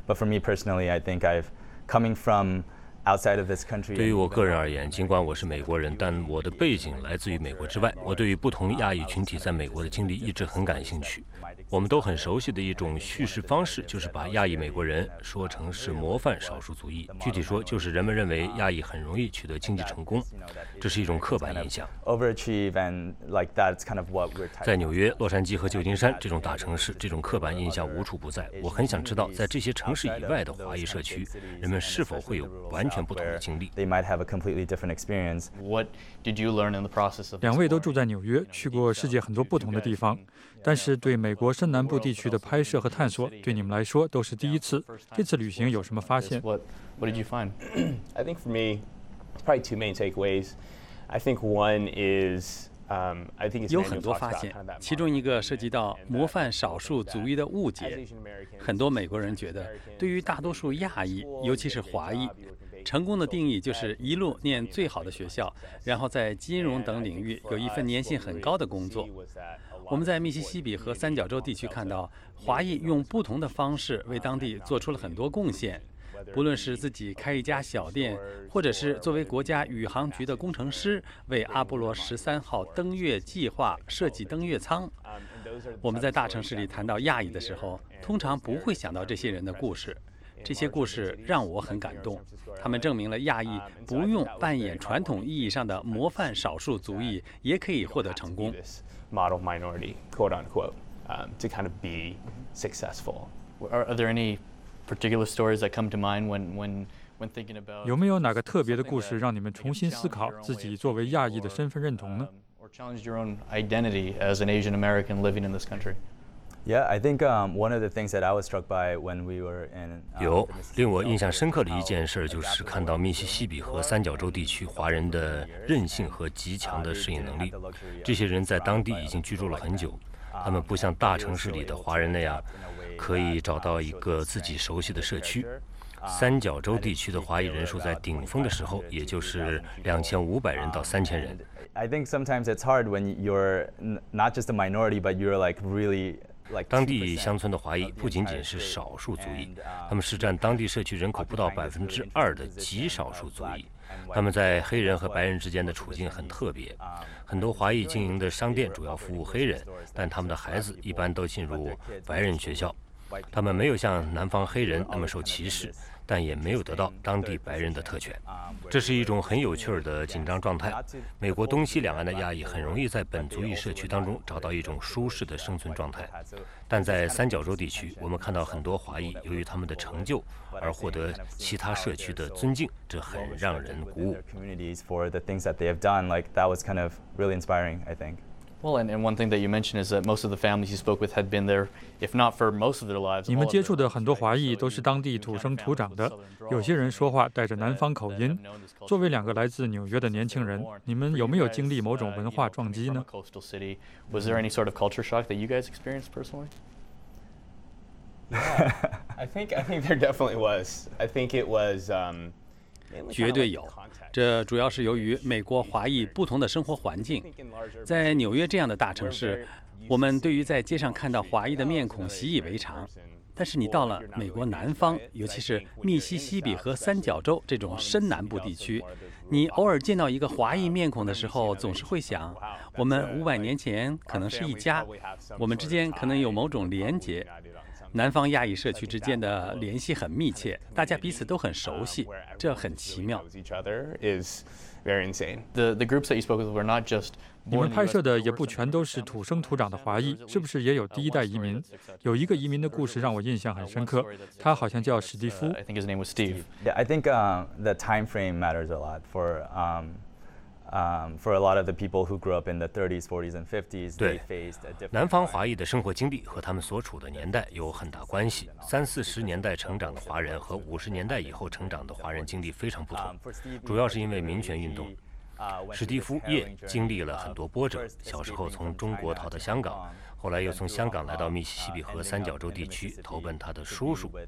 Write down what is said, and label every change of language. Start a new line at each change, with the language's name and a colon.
English: But for me personally, I think I've coming from outside of this country.
Chinese: 对于我个人而言，尽管我是美国人，但我的背景来自于美国之外。我对于不同亚裔群体在美国的经历一直很感兴趣。我们都很熟悉的一种叙事方式，就是把亚裔美国人说成是模范少数族裔。具体说，就是人们认为亚裔很容易取得经济成功，这是一种刻板印象。在纽约、洛杉矶和旧金山这种大城市，这种刻板印象无处不在。我很想知道，在这些城市以外的华裔社区，人们是否会有完全不同的经历。两位都住在纽约，去过世界很多不同的地方，但是对美国深南部地区的拍摄和探索对你们来说都是第一次，这次旅行有什么发现？
English: What did you find? I think for me, it's probably two main takeaways. I think one is, I think it's
Chinese: 有很多发现，其中一个涉及到模范少数族裔的误解。很多美国人觉得，对于大多数亚裔，尤其是华裔，成功的定义就是一路念最好的学校，然后在金融等领域有一份年薪很高的工作。我们在密西西比和三角洲地区看到，华裔用不同的方式为当地做出了很多贡献，不论是自己开一家小店，或者是作为国家宇航局的工程师为阿波罗十三号登月计划设计登月舱。我们在大城市里谈到亚裔的时候，通常不会想到这些人的故事。这些故事让我很感动，他们证明了亚裔不用扮演传统意义上的模范少数族裔也可以获得成功。
English: Model minority, quote unquote, to kind of be successful. Are there any particular stories that come to mind when thinking about?
Chinese: 有没有哪个特别的故事让你们重新思考自己作为亚裔的身份认同呢？
English: Or challenge your own identity as an Asian American living in this country? Yeah, I think one of the things that I was struck by when we were in.
Chinese: 有令我印象深刻的一件事就是看到密西西比和三角洲地区华人的韧性和极强的适应能力。这些人在当地已经居住了很久，他们不像大城市里的华人那样可以找到一个自己熟悉的社区。三角洲地区的华裔人数在顶峰的时候，也就是2500人到3000人。
English: I think sometimes it's hard when you're not just a minority, but you're like really.
Chinese: 当地乡村的华裔不仅仅是少数族裔，他们是占当地社区人口不到2%的极少数族裔。他们在黑人和白人之间的处境很特别，很多华裔经营的商店主要服务黑人，但他们的孩子一般都进入白人学校。他们没有像南方黑人那么受歧视，但也没有得到当地白人的特权。这是一种很有趣的紧张状态。美国东西两岸的亚裔很容易在本族裔社区当中找到一种舒适的生存状态，但在三角洲地区，我们看到很多华裔由于他们的成就而获得其他社区的尊敬，这很让人鼓舞。
English: Well, and one thing that you mentioned is that most of the families you spoke with had been there, if not for most of their lives.
Chinese: 你们接触的很多华裔都是当地土生土长的，有些人说话带着南方口音。作为两个来自纽约的年轻人，你们有没有经历某种文化撞击呢？
English: Coastal city, was there any sort of culture shock that you guys experienced personally? Yeah, I think there definitely was. I think it was.
Chinese: 绝对有，这主要是由于美国华裔不同的生活环境。在纽约这样的大城市，我们对于在街上看到华裔的面孔习以为常。但是你到了美国南方，尤其是密西西比和三角洲这种深南部地区，你偶尔见到一个华裔面孔的时候，总是会想，我们500年前可能是一家，我们之间可能有某种连结。南方亚裔社区之间的联系很密切，大家彼此都很熟悉，这很奇妙。
English: The groups that you spoke with were not just.
Chinese: 你们拍摄的也不全都是土生土长的华裔，是不是也有第一代移民？有一个移民的故事让我印象很深刻，他好像叫史蒂夫。
English: I think his name was Steve. Yeah, I think the time frame matters a lot for a lot of the people who grew up in the 30s, 40s, and 50s.
Chinese: 对，南方华裔的生活经历和他们所处的年代有很大关系。三四十年代成长的华人和50年代以后成长的华人经历非常不同，主要是因为民权运动。史蒂夫·叶经历了很多波折，小时候从中国逃到香港，后来又从香港来到密西西比河三角洲地区投奔他的叔叔。